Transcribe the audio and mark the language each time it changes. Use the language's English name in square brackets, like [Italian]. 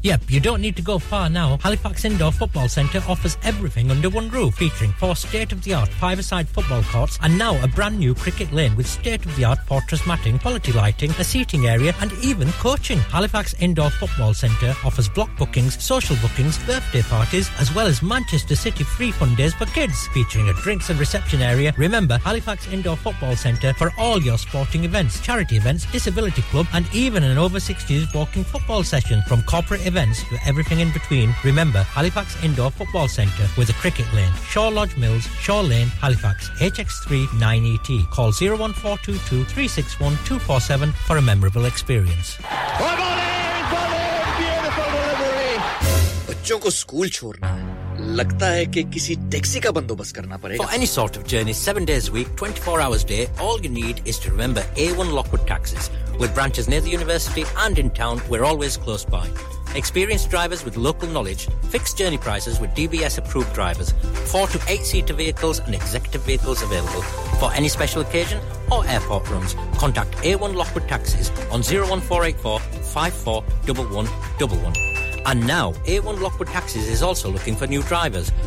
[English] Yup you don't need to go far now Halifax indoor football centre offers everything under one roof featuring four state of the art five a side football courts and now a brand new cricket lane with state of the art portress matting quality lighting a seating area and even coaching Halifax indoor football centre offers block bookings social bookings birthday parties as well as Manchester City free fun days for kids featuring a drinks and reception area. Remember, Halifax Indoor Football Centre for all your sporting events, charity events, disability club, and even an over 60s walking football session from corporate events to everything in between. Remember, Halifax Indoor Football Centre with a cricket lane. Shaw Lodge Mills, Shaw Lane, Halifax, HX3 9ET. Call 01422 361 247 for a memorable experience. [Hindi] बच्चों को school छोड़ना है लगता है कि किसी taxi का बंदोबस्त करना पड़ेगा [English] For any sort of journey 7 days a week 24 hours a day all you need is to remember A1 Lockwood taxis with branches near the university and in town we're always close by experienced drivers with local knowledge fixed journey prices with DBS approved drivers 4 to 8 seater vehicles and executive vehicles available for any special occasion or airport runs contact A1 Lockwood taxis on 01484 541111 And now, A1 Lockwood Taxis is also looking for new drivers.